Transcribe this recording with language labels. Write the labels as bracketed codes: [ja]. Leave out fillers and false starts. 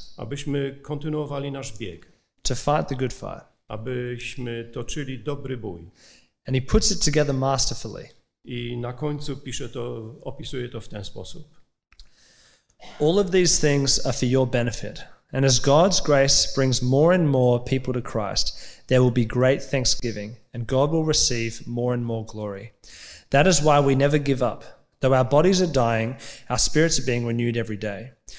[pl] Abyśmy kontynuowali nasz bieg. [en] to fight the good fight. [pl] Abyśmy toczyli dobry bój. [en] And he puts it together masterfully. [pl] I na końcu pisze to, opisuje to w ten sposób. [en] All of these things are for your benefit. And as God's grace brings more and more people to Christ, there will be great thanksgiving, and God will receive more and more glory. That is why we never give up. Though our bodies are dying, our spirits are being renewed every day.